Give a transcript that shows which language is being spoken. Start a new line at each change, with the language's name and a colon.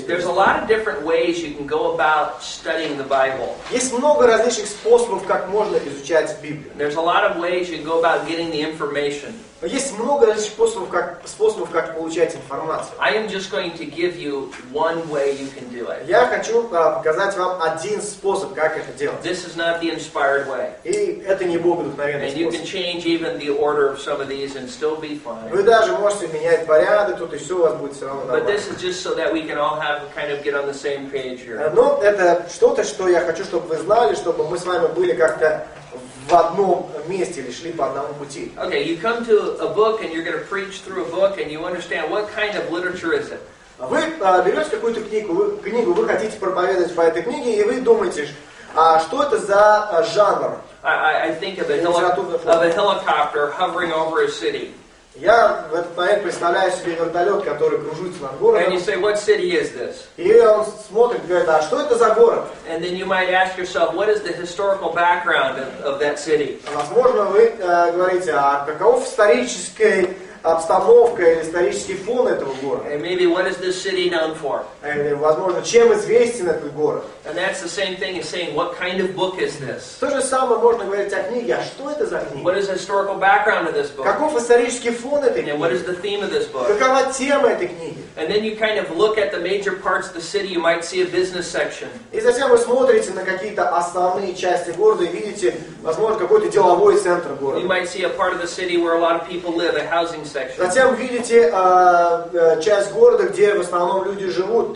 English: There's a lot of different ways you can go about studying the Bible.
Russian: Есть много различных способов, как можно изучать Библию.
English: There's a lot of ways you can go about getting the information.
Russian: Есть много различных способов, как получать информацию.
English: I am just going to give you one way you can do it.
Russian: Я хочу показать вам один способ, как это делать.
English: This is not the inspired way.
Russian: И это не Богодухновенный способ.
English: And you can change even the order of some of these and still be fine.
Russian: Вы даже можете менять порядок, тут и все у вас будет все равно нормально.
English: But this is just so that we can all have kind of get on the same page here.
Russian: Но это что-то, что я хочу, чтобы вы знали, чтобы мы с вами были как-то в одном месте или шли по одному пути.
English: Okay, you come to a book and you're going to preach through a book and you understand what kind of literature is it.
Russian: Вы берете какую-то книгу, вы хотите проповедовать по этой книге, и вы думаете, что это за жанр?
English: I think of a helicopter hovering over a city.
Russian: Я в этот момент представляю себе вертолет, который кружится над городом.
English: And you say, what city is this?
Russian: И он смотрит и говорит, а что это за город?
English: And then you might ask yourself, what is the historical background of that city?
Russian: Возможно, вы говорите, а каков исторический обстановка или исторический фон этого города?
English: And maybe, what is this city known for?
Russian: И, возможно, чем известен этот город?
English: And that's the same thing as saying, what kind of book is this?
Russian: То же самое можно говорить о книге. А что это за книга?
English: What is the historical background of this book?
Russian: Каков исторический фон этой книги?
English: And what is the theme of this book?
Russian: Какова тема этой книги?
English: And then you kind of look at the major parts of the city, you might see a business section.
Russian: И затем вы смотрите на какие-то основные части города и видите, возможно, какой-то деловой центр города.
English: You might see a part of the city where a lot of people live, a housing
Russian: Затем видите часть города, где в основном люди живут.